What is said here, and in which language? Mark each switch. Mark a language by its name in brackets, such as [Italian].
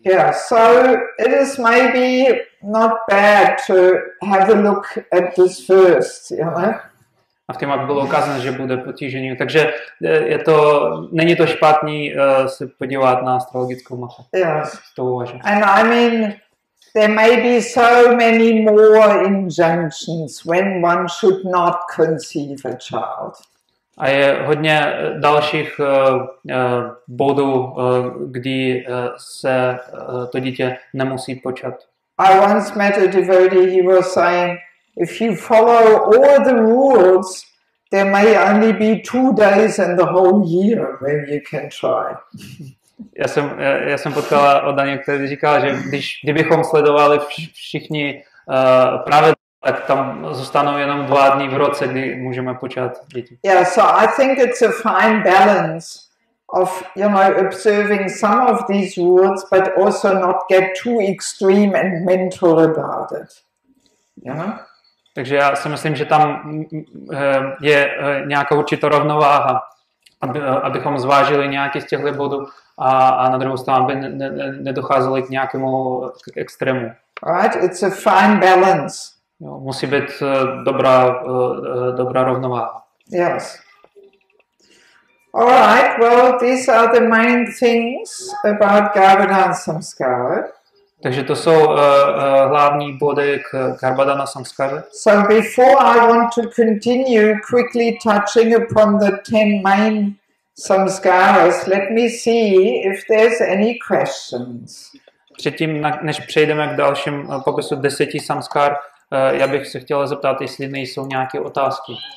[English] Yeah, so it is maybe not bad to have a look at this first, you know? [Czech] A v té mapě bylo ukázáno, že bude potížení. Takže je to, není to špatný se podívat na astrologickou mapu. [English] Yes. [Czech] To uvažuji. [English] And I mean, there may be so many more injunctions when one should not conceive a child. [Czech] A je hodně dalších bodů, kdy se to dítě nemusí počat. [English] I once met a devotee, he was saying, if you follow all the rules, there may only be 2 days in the whole year when you can try. [Czech] Já jsem potkala Daniela, který říká, že kdybychom sledovali všichni pravidla, tak tam zůstanou jenom 2 dny v roce, kdy můžeme počát děti. [English] Yeah, so I think it's a fine balance of, you know, observing some of these rules, but also not get too extreme and mental about it. Yeah. [Czech] Takže já si myslím, že tam je nějaká určitá rovnováha, abychom zvážili nějaký z těchto bodů a na druhou stranu, aby nedocházeli k nějakému extrému. [English] Right, it's a fine balance. [Czech] Jo, musí být dobrá rovnováha. [English] Yes. All right. Well, these are the main things about Garbhadhana Samskara. [Czech] Takže to jsou hlavní body k Garbhadhana Samskara. [English] So before I want to continue quickly touching upon the 10 main samskaras, let me see if there's any questions. [Czech] Předtím, než přejdeme k dalším popisu 10 samskar, já bych se chtěla zeptat, jestli nejsou nějaké otázky.